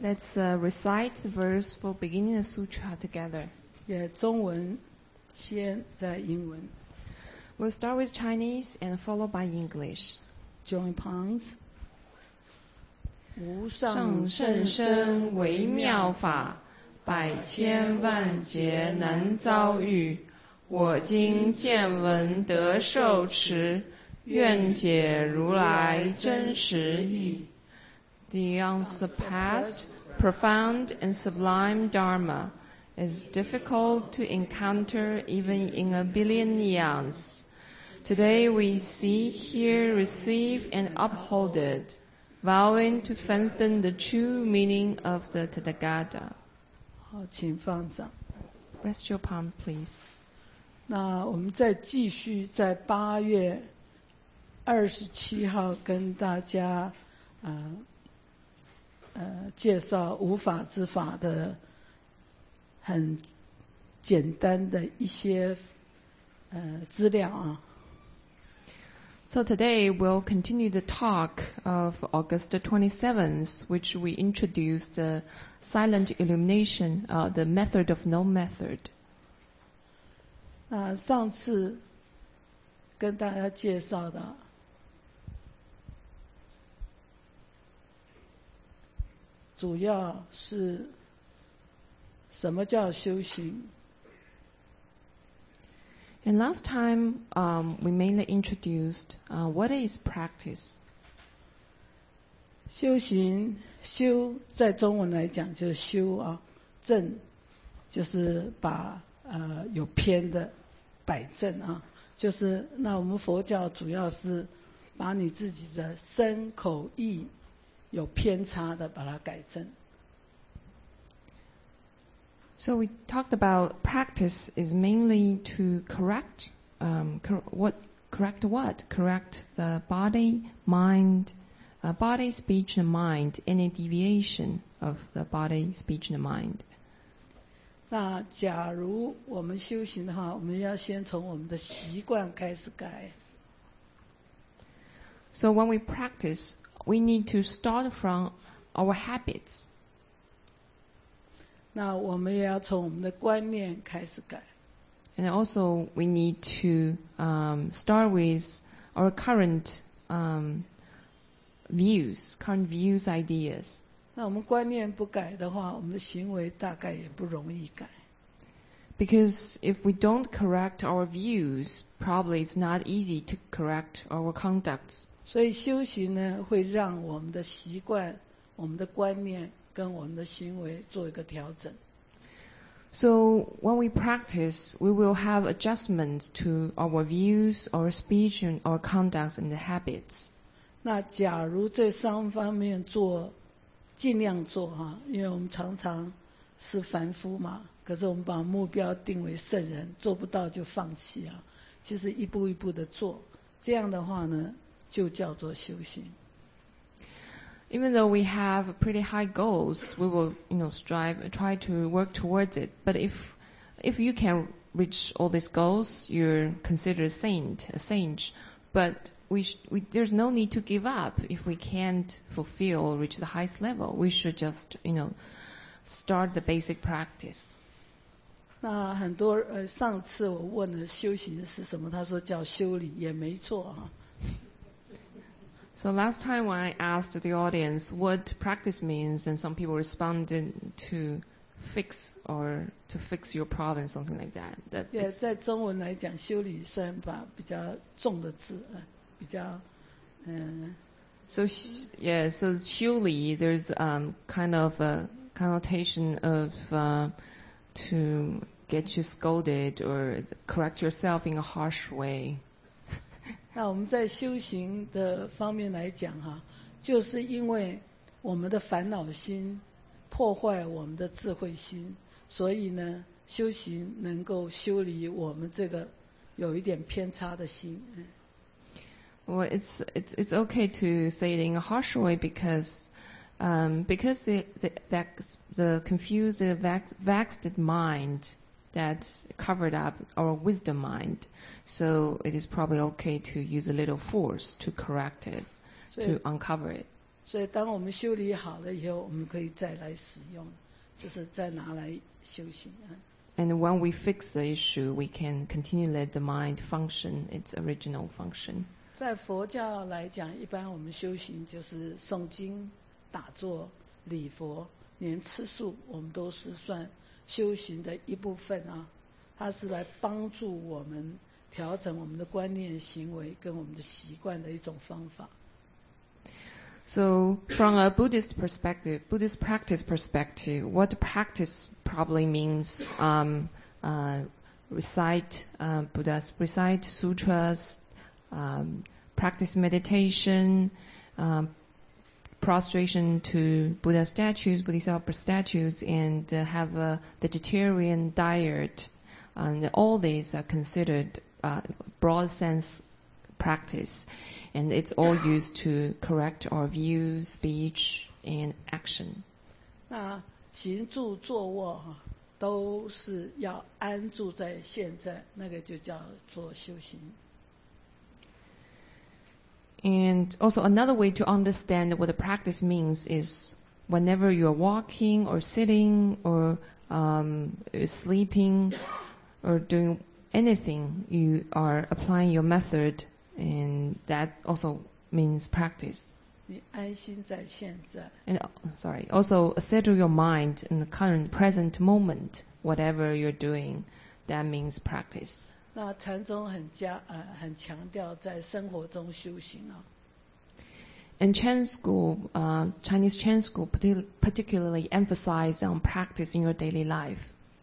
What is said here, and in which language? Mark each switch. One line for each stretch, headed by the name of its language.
English: Let's recite the verse for beginning the sutra together.
Chinese: 也中文先在英文。
English: We'll start with Chinese and followed by English. Join palms.
Chinese: 无上甚深微妙法，百千万劫难遭遇。我今见闻得受持，愿解如来真实义。
English: The unsurpassed, profound and sublime Dharma is difficult to encounter even in a billion eons. Today we see, hear, receive and uphold it, vowing to strengthen the true meaning of the Tathagata.
Chinese: 好，请放掌。
English: Rest your palm, please.
Chinese: 那我们再继续在八月27号跟大家介绍无法之法的很简单的一些资料啊。
English: So today we'll continue the talk of August 27th, which we introduced the silent illumination, the method of no method.
Chinese: 那上次跟大家介绍的主要是什么叫修行。
English: And last time, we mainly introduced, what is practice?
Chinese: 修行，修，在中文来讲就是修啊，正，就是把有偏的摆正啊，就是那我们佛教主要是把你自己的身口意有偏差的把它改正。
English: So we talked about practice is mainly to correct, correct the body, mind, body, speech and mind, any deviation of the body, speech and mind.
Chinese: 那假如我们修行的话，我们要先从我们的习惯开始改。
English: So when we practice, we need to start from our habits.
Chinese: 那我们也要从我们的观念开始改。
English: And also we need to start with our current views, current views, ideas.
Chinese: 那我们观念不改的话，我们的行为大概也不容易改。
English: Because if we don't correct our views, probably it's not easy to correct our conducts.
Chinese: 所以修行呢，会让我们的习惯，我们的观念跟我们的行为做一个调整。
English: So when we practice, we will have adjustments to our views, our speech, and our conducts and habits.
Chinese: 那假如这三方面做，尽量做哈，因为我们常常是凡夫嘛，可是我们把目标定为圣人，做不到就放弃啊。其实一步一步的做，这样的话呢，就叫做修行。
English: Even though we have pretty high goals, we will, you know, strive, try to work towards it. But if you can reach all these goals, you're considered a saint. But there's no need to give up if we can't fulfill or reach the highest level. We should just, you know, start the basic practice.
Chinese: 那很多上次我问的修行是什么，他说叫修理，也没错啊。
English: So last time when I asked the audience what practice means, and some people responded to fix or to fix your problem, something like that. That
Chinese: yeah, 在中文来讲，修理虽然把比较重的字，比较，
English: So修理 there's kind of a connotation of to get you scolded or correct yourself in a harsh way.
Chinese: 那我们在修行的方面来讲哈，就是因为我们的烦恼心破坏我们的智慧心，所以呢，修行能够修理我们这个有一点偏差的心。
English: Well, it's okay to say it in a harsh way because the confused, vexed mind, that covered up our wisdom mind. So it is probably okay to use a little force to correct it, to uncover it.
Chinese: 所以当我们修理好了以后，我们可以再来使用，就是再拿来修行啊。
English: And when we fix the issue, we can continue let the mind function its original function.
Chinese: 在佛教来讲，一般我们修行就是诵经、打坐、礼佛，连吃素，我们都是算修行的一部分啊。它是来帮助我们调整我们的观念、行为跟我们的习惯的一种方法。
English: So from a Buddhist perspective, Buddhist practice perspective, what practice probably means recite sutras, practice meditation, prostration to Buddha statues, Bodhisattva statues, and have a vegetarian diet. And all these are considered broad sense practice. And it's all used to correct our view, speech, and action.
Chinese: 那行住坐卧都是要安住在现在，那个就叫做修行。
English: And also another way to understand what the practice means is whenever you are walking or sitting or sleeping or doing anything, you are applying your method. And that also means practice.
Chinese: 你安心在现在。
English: And, sorry, also settle your mind in the current present moment, whatever you're doing, that means practice.
Chinese: 那禅宗很强调在生活中修行啊。
English: And Chan school, Chinese Chan school particularly emphasize on practice in your daily life.